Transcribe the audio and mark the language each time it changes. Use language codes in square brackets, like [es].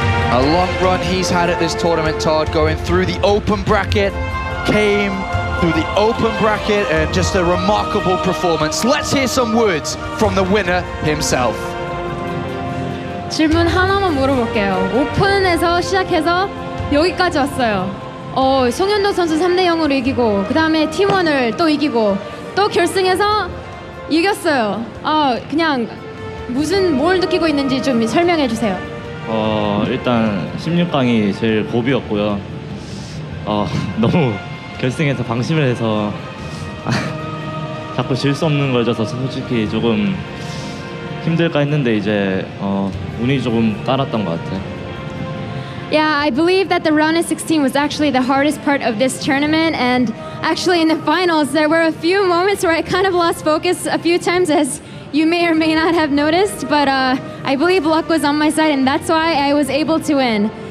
[en] A long run he's had at this tournament, Todd, going through the open bracket, came through the open bracket, and just a remarkable performance. Let's hear some words from the winner himself. [ko] 질문 하나만 물어볼게요. 오픈에서 시작해서 여기까지 왔어요. 송현도 선수 3-0으로 이기고 그 다음에 팀원을 또 이기고 또 결승에서 이겼어요. 그냥 무슨 뭘 느끼고 있는지 좀 설명해 주세요. 일단 16강이 제일 고비였고요. 너무 결승에서 방심을 해서 자꾸 질 수 없는 걸 줘서 솔직히 조금 힘들까 했는데 이제 운이 조금 따랐던 것 같아요. [en] Yeah, I believe that the round of 16 was actually the hardest part of this tournament, and actually in the finals there were a few moments where I kind of lost focus a few times, as you may or may not have noticed, but I believe luck was on my side and that's why I was able to win.